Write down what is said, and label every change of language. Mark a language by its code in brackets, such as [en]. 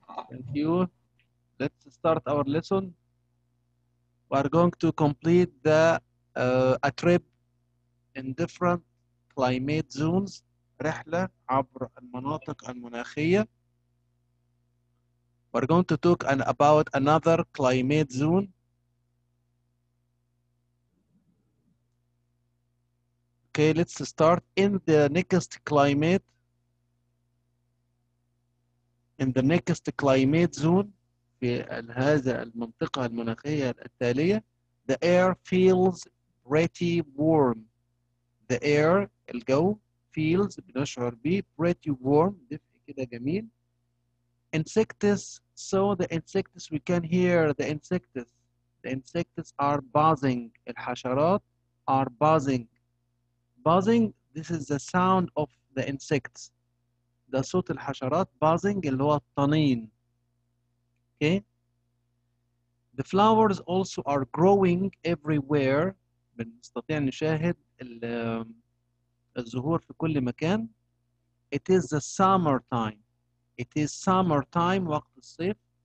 [en] Thank you. Let's start our lesson. We are going to complete the a trip in different climate zones. [ar] رحلة عبر المناطق المناخية. [en] We're going to talk about another climate zone. Okay, let's start in the next climate. In the next climate zone, [ar] في هذا المنطقة المناخية التالية, [en] the air feels pretty warm. The air, [ar] الجو, feels, بنشعر به, [en] pretty warm, [ar] دفء كده جميل. [en] Insects, so the insects, we can hear the insects. The insects are buzzing. الحشرات are buzzing. Buzzing, this is the sound of the insects. [ar] The صوت الحشرات, buzzing, اللي هو الطنين. [en] Okay. The flowers also are growing everywhere. [ar] بنستطيع نشاهد الزهور في كل مكان. [en] It is the summer time. It is summer time, [ar] وقت الصيف.